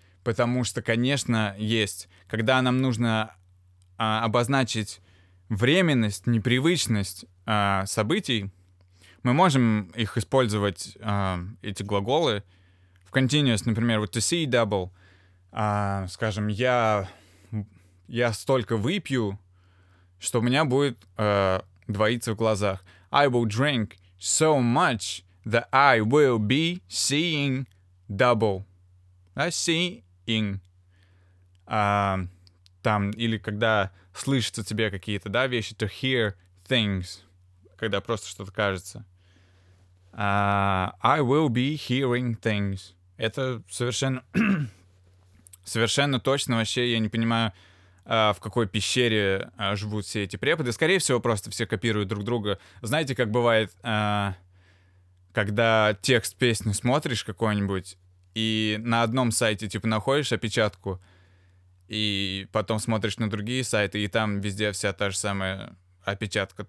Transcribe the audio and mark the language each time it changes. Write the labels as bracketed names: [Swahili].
[Russian] Потому что, конечно, есть, когда нам нужно обозначить временность, непривычность событий, мы можем их использовать, эти глаголы, в continuous, например, вот [English] to see double, [Russian] скажем, я столько выпью, что у меня будет двоиться в глазах. [English] I will drink so much that I will be seeing double. [Russian] Да, seeing. Там, или когда слышатся тебе какие-то, да, вещи, [English] to hear things, [Russian] когда просто что-то кажется. [English] I will be hearing things. [Russian] Это совершенно, совершенно точно, вообще я не понимаю, в какой пещере живут все эти преподы. Скорее всего, просто все копируют друг друга. Знаете, как бывает, когда текст песни смотришь какой-нибудь, и на одном сайте, типа, находишь опечатку, и потом смотришь на другие сайты, и там везде вся та же самая опечатка.